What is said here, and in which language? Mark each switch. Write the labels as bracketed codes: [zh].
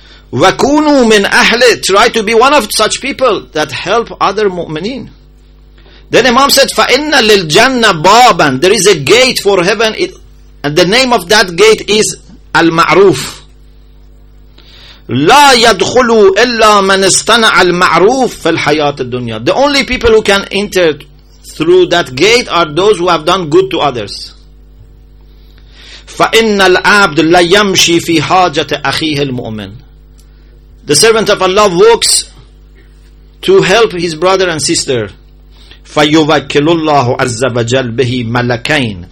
[ar] Wakunu min ahli, [en] try to be one of such people that help other mu'mineen. Then Imam said, [ar] "Fa'inna lil jannah baban." [en] There is a gate for heaven, and the name of that gate is Al-Ma'roof. [ar] لا يدخلوا إلا من استنع المعروف في الحياة الدنيا. [en] The only people who can enter through that gate are those who have done good to others. [ar] فإن العبد لا يمشي في حاجة أخيه المؤمن. [en] The servant of Allah walks to help his brother and sister. [ar] فيوكل الله عز وجل به ملكين.